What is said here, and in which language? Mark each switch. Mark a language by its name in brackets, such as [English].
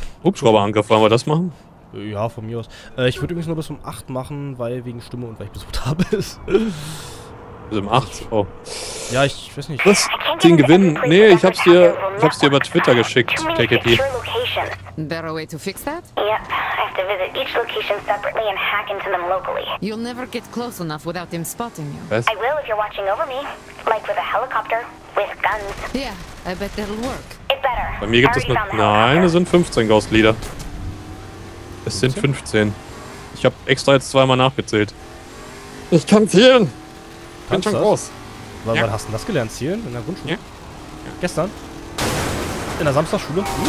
[German] Hubschrauberangriff, wollen wir das machen? Ja, von mir aus. Ich würde übrigens nur bis um 8 machen, weil wegen Stimme und weil ich besucht habe. Bis um 8? Oh. Ja, ich weiß nicht. Was? Den Gewinn? Nee, ich hab's dir über Twitter geschickt, KKP. [English] Better way to fix that? Yep, I have to visit each location separately and hack into them locally. You'll never get close enough without them spotting you. Was? I will if you're watching over me, like with a helicopter, with guns. Yeah, I bet that'll work. It better. [German] Bei mir gibt es nur... Nein, es sind 15 Ghost Leader. Es sind 15. Ich hab extra jetzt zweimal nachgezählt. Ich kann zählen! Bin schon groß. Wann hast du denn das gelernt? Zielen? In der Grundschule? Ja. Gestern? In der Samstagsschule?